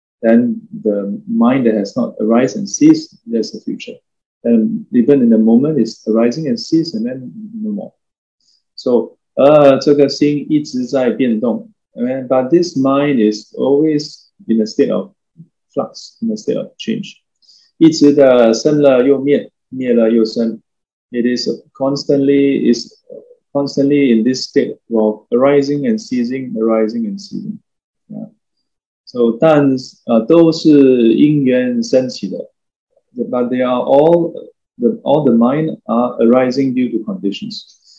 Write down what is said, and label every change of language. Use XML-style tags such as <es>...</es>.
<en>Then the mind that has not arise and cease, there's a future. And even in the moment, it's arising and cease, and then no more. So,</en> <zh>这个心一直在变动,</zh> <en>but this mind is always in a state of flux, in a state of change.</en> <zh>一直的生了又灭, 灭了又生.</zh> <en>It is constantly in this state of arising and ceasing, arising and ceasing. So,</en> <zh>但都是因缘升起的,</zh> <en>but they are all the mind are arising due to conditions.</en>